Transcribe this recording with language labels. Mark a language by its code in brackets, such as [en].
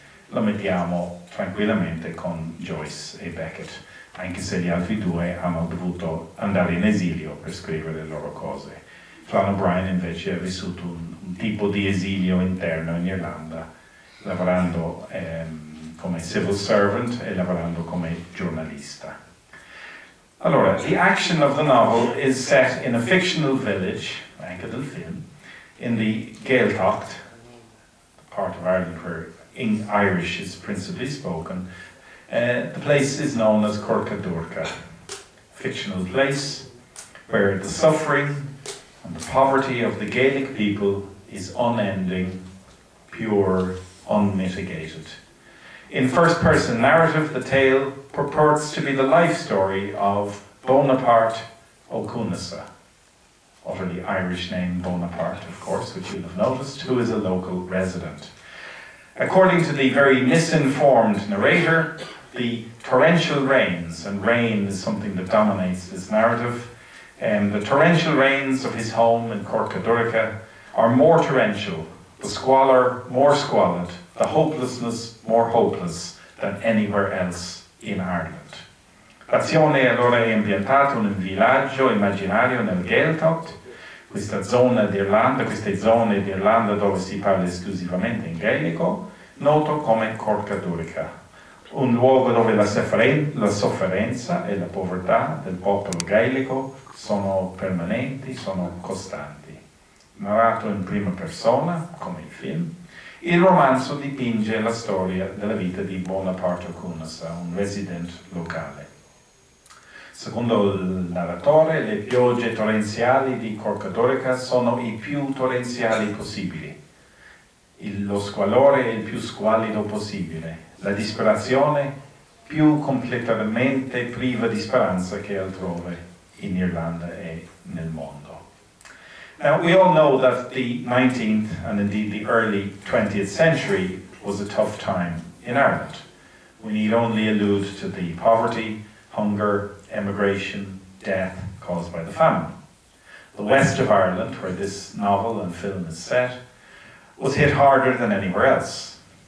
[it] Lo mettiamo tranquillamente con Joyce e Beckett, anche se gli altri due hanno dovuto andare in esilio per scrivere le loro cose. Flann O'Brien invece ha vissuto un tipo di esilio interno in Irlanda, lavorando come [en] civil servant [it] e lavorando come giornalista. [en] Allora, the action of the novel is set in a fictional village, [it] anche del film, [en] in the Gaeltacht, the part of Ireland where in Irish is principally spoken. The place is known as Corcadurca, a fictional place where the suffering and the poverty of the Gaelic people is unending, pure, unmitigated. In first-person narrative, the tale purports to be the life story of Bonaparte O'Cunessa, utterly Irish name Bonaparte, of course, which you'll have noticed, who is a local resident. According to the very misinformed narrator, the torrential rains, and rain is something that dominates this narrative, and the torrential rains of his home in Corcadurca are more torrential, the squalor more squalid, the hopelessness more hopeless than anywhere else in Ireland. [it] L'azione allora è ambientata in un villaggio immaginario nel Gaeltacht, questa zona d'Irlanda, queste zone d'Irlanda dove si parla esclusivamente in gaelico, noto come Corcadurca. Un luogo dove la sofferenza e la povertà del popolo gaelico sono permanenti, sono costanti. Narrato in prima persona, come il film, il romanzo dipinge la storia della vita di Bonaparte O'Cunessa, un resident locale. Secondo il narratore, le piogge torrenziali di Corcadurca sono i più torrenziali possibili. Lo squalore è il più squallido possibile. La disperazione più completamente priva di speranza che altrove in Irlanda e nel mondo. [en] Now, we all know that the 19th and indeed the early 20th century was a tough time in Ireland. We need only allude to the poverty, hunger, emigration, death caused by the famine. The west of Ireland, where this novel and film is set, was hit harder than anywhere else.